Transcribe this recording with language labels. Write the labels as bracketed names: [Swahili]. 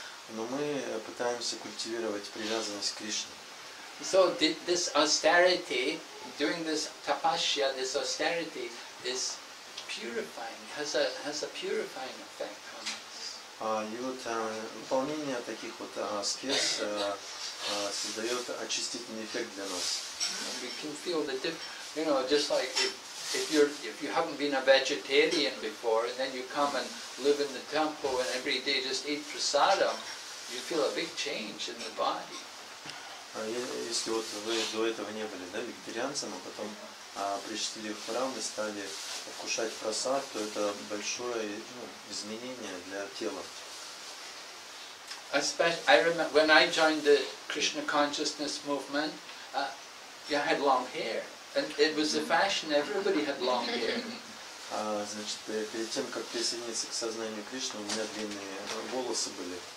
[Russian] Но мы пытаемся культивировать привязанность к Кришне. [English] So this austerity, during this tapasya, this austerity is purifying, has a purifying effect. [Russian] И вот выполнение таких вот аскез создает очистительный эффект для нас. [English] We can feel the difference, you know, just like if you haven't been a vegetarian before, and then you come and live in the temple and every day just eat prasadam, you feel a big change in the body. [Russian] Если вот вы до этого не были, да, вегетарианцем, а потом пришли в храм и стали вкушать просад, то это большое изменение для тела. [English] Especially, I remember when I joined the Krishna consciousness movement, I had long hair, and it was the fashion. Everybody had long hair. [Russian] Значит, перед тем как присоединиться к сознанию Кришны, у меня длинные волосы были.